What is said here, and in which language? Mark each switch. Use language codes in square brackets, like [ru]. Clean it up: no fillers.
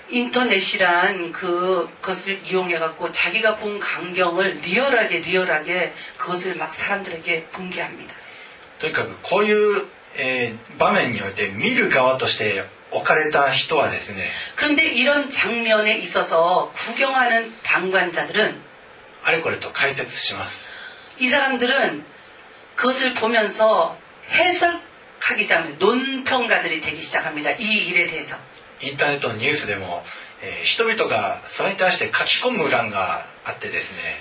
[ko] インターネット란그것을이용해갖고자기가본광경을리얼하게리얼하게그것을막사람들에게공개합니다 [ja] とにかくこういう、場面において見る側として置かれた人はですね [ko] 그런데이런장면에있어서구경하는방관자들은 [ja] あれこれと解説します [ko] 이사람들은그것을보면서해석하기시작합니다논평가들이되기시작합니다이일에대해서 [ja] 인터넷뉴스でも人々がそれに対して書き込む欄があってですね。